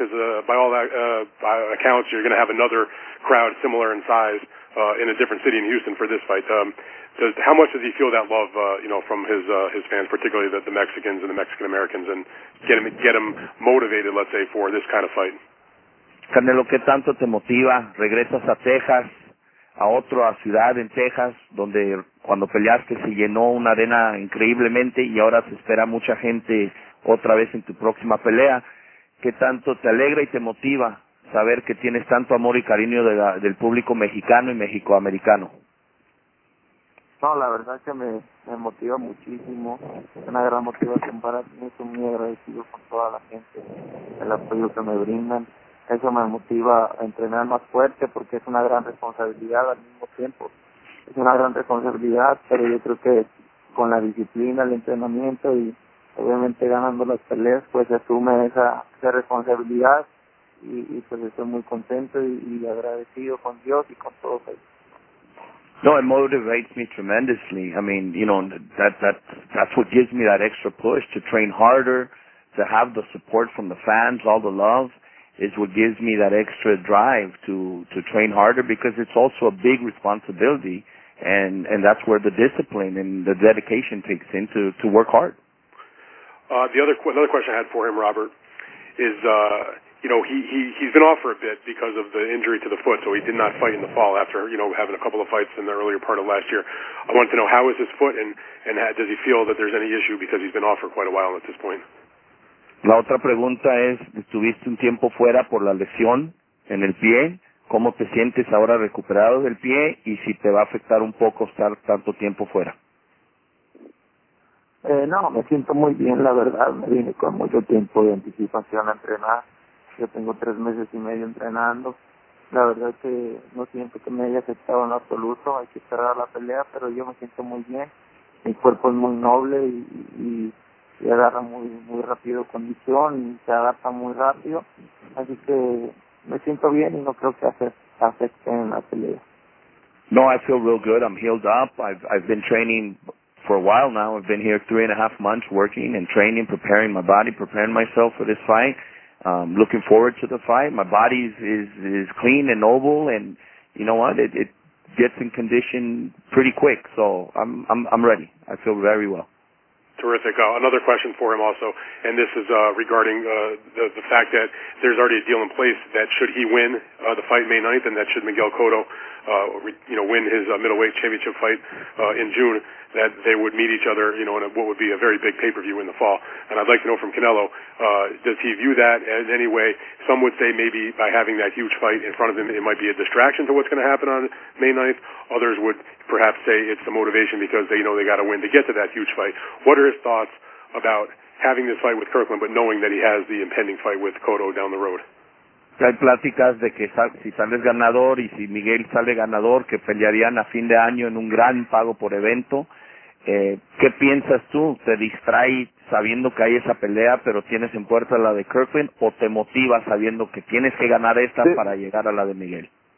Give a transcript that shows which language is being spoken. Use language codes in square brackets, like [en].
[en] Because by all that, by accounts, you're going to have another crowd similar in size in a different city in Houston for this fight. How much does he feel that love, from his fans, particularly the Mexicans and the Mexican Americans, and get him motivated, let's say, for this kind of fight? [es] Canelo, ¿qué tanto te motiva? Regresas a Texas, a otra ciudad en Texas, donde cuando peleaste se llenó una arena increíblemente y ahora se espera mucha gente otra vez en tu próxima pelea. ¿Qué tanto te alegra y te motiva saber que tienes tanto amor y cariño del público mexicano y mexicoamericano? No, la verdad que me motiva muchísimo. Es una gran motivación para mí. Estoy muy agradecido con toda la gente, el apoyo que me brindan. Eso me motiva a entrenar más fuerte porque es una gran responsabilidad al mismo tiempo. Es una gran responsabilidad, pero yo creo que con la disciplina, el entrenamiento y obviamente ganando las peleas, pues asume esa responsabilidad y pues estoy muy contento y agradecido con Dios y con todos ellos. [en] No, it motivates me tremendously. I mean, that's what gives me that extra push to train harder, to have the support from the fans, all the love, is what gives me that extra drive to train harder, because it's also a big responsibility, and that's where the discipline and the dedication takes in to work hard. Another question I had for him, Robert, is, he's been off for a bit because of the injury to the foot, so he did not fight in the fall after, having a couple of fights in the earlier part of last year. I wanted to know, how is his foot, and does he feel that there's any issue because he's been off for quite a while at this point? [es] La otra pregunta es, ¿estuviste un tiempo fuera por la lesión en el pie? ¿Cómo te sientes ahora recuperado del pie? ¿Y si te va a afectar un poco estar tanto tiempo fuera? No, me siento muy bien, la verdad. Me vine con mucho tiempo de anticipación a entrenar. Yo tengo 3 meses y medio entrenando. La verdad que no siento que me haya afectado en absoluto. Hay que cerrar la pelea, pero yo me siento muy bien. Mi cuerpo es muy noble y agarra muy muy rápido condición y se adapta muy rápido. Así que me siento bien y no creo que afecte en la pelea. [en] No, I feel real good. I'm healed up. I've been training for a while now. I've been here 3.5 months working and training, preparing my body, preparing myself for this fight. Looking forward to the fight. My body is clean and noble, and you know what? It gets in condition pretty quick, so I'm ready. I feel very well. Terrific. Another question for him also, and this is regarding the fact that there's already a deal in place that should he win the fight May 9th, and that should Miguel Cotto win his middleweight championship fight in June, that they would meet each other, in what would be a very big pay-per-view in the fall. And I'd like to know from Canelo, does he view that in any way? Some would say maybe by having that huge fight in front of him, it might be a distraction to what's going to happen on May 9th. Others would perhaps say it's the motivation because they know they got to win to get to that huge fight. What are his thoughts about having this fight with Kirkland, but knowing that he has the impending fight with Cotto down the road? [es] Hay pláticas de que si sales ganador y si Miguel sale ganador, que pelearían a fin de año en un gran pago por evento. ¿Qué piensas tú? ¿Te distrae sabiendo que hay esa pelea, pero tienes en puerta la de Kirkland, o te motiva sabiendo que tienes que ganar esta para llegar a la de Miguel?